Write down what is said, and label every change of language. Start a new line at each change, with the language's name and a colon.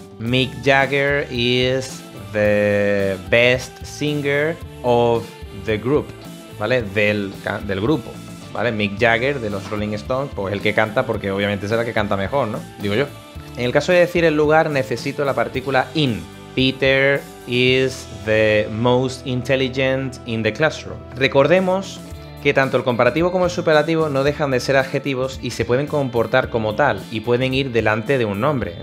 English: Mick Jagger is the best singer of the group, ¿vale?
Spanish: Del grupo. ¿Vale? Mick Jagger de los Rolling Stones, pues el que canta, porque obviamente será el que canta mejor, ¿no? Digo yo. En el caso de decir el lugar, necesito la partícula in.
English: Peter is the most intelligent in the classroom.
Spanish: Recordemos que tanto el comparativo como el superlativo no dejan de ser adjetivos y se pueden comportar como tal y pueden ir delante de un nombre.